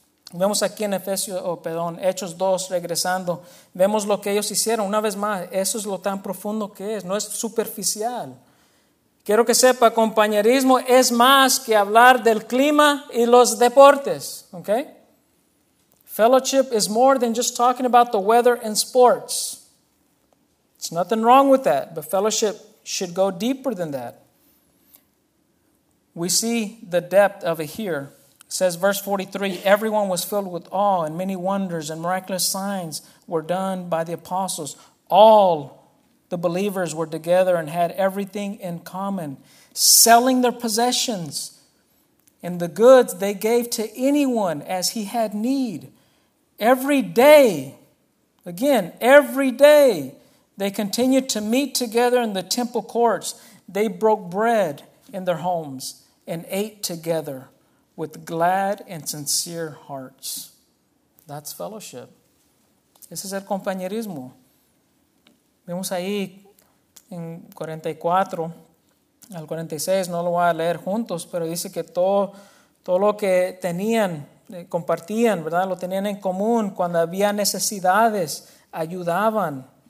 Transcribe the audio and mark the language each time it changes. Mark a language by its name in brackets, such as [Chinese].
[Spanish] Vemos aquí en Hechos 2, regresando, vemos lo que ellos hicieron. Una vez más, eso es lo tan profundo que es, no es superficial. Quiero que sepa, compañerismo es más que hablar del clima y los deportes, ¿ok? [English] Fellowship is more than just talking about the weather and sports. There's nothing wrong with that, but fellowship should go deeper than that. We see the depth of it here. Says verse 43, everyone was filled with awe, and many wonders and miraculous signs were done by the apostles. All the believers were together and had everything in common, selling their possessions and the goods they gave to anyone as he had need. Every day, again, every day, they continued to meet together in the temple courts. They broke bread in their homes and ate together with glad and sincere hearts. That's fellowship. [Spanish] Ese es el compañerismo. Vemos ahí en 44, al 46, no lo voy a leer juntos, pero dice que todo lo que tenían, compartían, ¿verdad? Lo tenían en común cuando había necesidades, ayudaban.